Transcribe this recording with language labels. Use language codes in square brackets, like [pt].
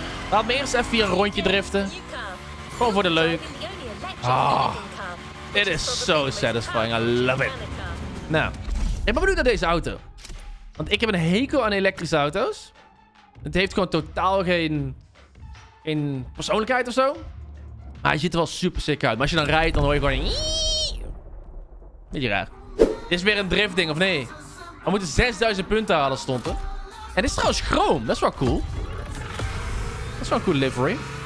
[nl] Laat me eerst even hier een rondje driften. Gewoon voor de leuk. Ah. [en] Oh, it is so satisfying. I love it. [nl] Nou, ik ben benieuwd naar deze auto. Want ik heb een hekel aan elektrische auto's. Het heeft gewoon totaal geen persoonlijkheid of zo. Maar hij ziet er wel super sick uit. Maar als je dan rijdt, dan hoor je gewoon... Een... Beetje raar. Dit is weer een driftding, of nee? We moeten 6000 punten halen, stond er. En dit is trouwens chrome. Dat is wel cool. Dat is wel een cool livery.